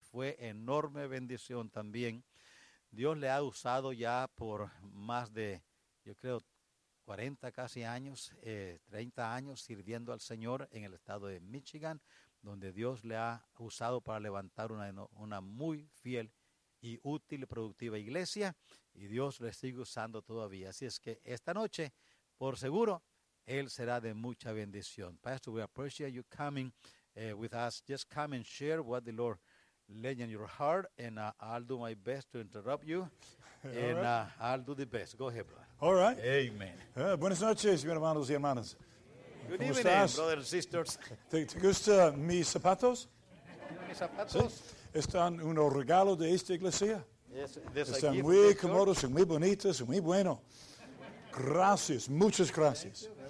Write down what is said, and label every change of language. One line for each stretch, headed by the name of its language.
Spanish: fue enorme bendición también. Dios le ha usado ya por más de, yo creo, 40 casi años, 30 años sirviendo al Señor en el estado de Michigan, donde Dios le ha usado para levantar una muy fiel y útil y productiva iglesia, y Dios le sigue usando todavía. Así es que esta noche, por seguro, Él será de mucha bendición.
English: Pastor, we appreciate you coming with us. Just come and share what the Lord laid in your heart, and I'll do my best to interrupt you, and I'll do the best. Go ahead, brother. All right. Amen.
Spanish: Buenas noches, hermanos y hermanas.
English: Good evening,
Spanish: estás?
English: Brothers and sisters.
Spanish: ¿Te gustan mis zapatos? ¿Mis zapatos? ¿Sí? Están un regalo de esta iglesia.
English: Yes,
Spanish: están muy cómodos, muy bonitos, muy buenos. Gracias, muchas gracias.